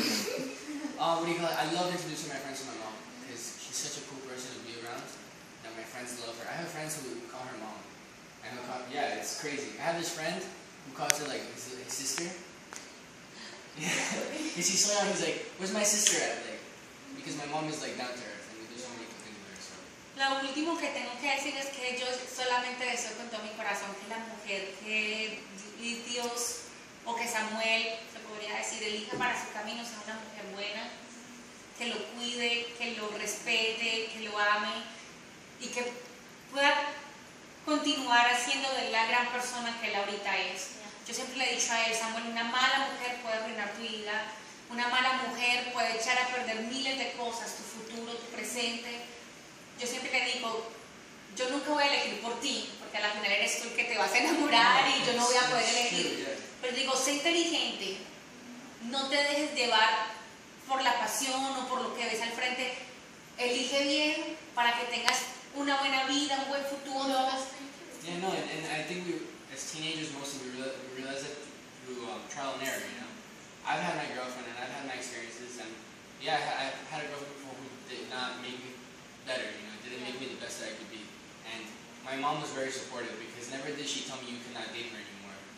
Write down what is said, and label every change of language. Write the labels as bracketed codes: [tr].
[en] what do you call it? I love introducing my friends to my mom because she's such a cool person to be around. That my friends love her. I have friends who call her mom. And yeah, it's crazy. I have this friend who calls her like his sister. Yeah, and she's slowing down. He's like, "Where's my sister at?" Like, because my mom is like down to earth and we don't really talk anywhere. So. [es] Lo último que tengo que decir es que yo solamente deseo con todo mi corazón que la mujer que Dios o que Samuel se podría decir elija para su camino sea una mujer buena, que lo cuide, que lo respete, que lo ame y que pueda continuar haciendo de la gran persona que él ahorita es. Yo siempre le he dicho a él, Samuel, una mala mujer puede arruinar tu vida, una mala mujer puede echar a perder miles de cosas, tu futuro, tu presente. Yo siempre le digo, yo nunca voy a elegir por ti, porque al final eres tú el que te vas a enamorar y yo no voy a poder elegir. Pero digo, sé inteligente, no te dejes llevar por la pasión o por lo que ves al frente. Elige bien para que tengas una buena vida, un buen futuro. [en] Yeah, no, and I think as teenagers mostly we realize it through trial and error, you know. I've had my girlfriend and I've had my experiences, and yeah, I've had a girlfriend before who did not make me better, you know, didn't make me the best that I could be. And my mom was very supportive because never did she tell me you cannot date her anymore.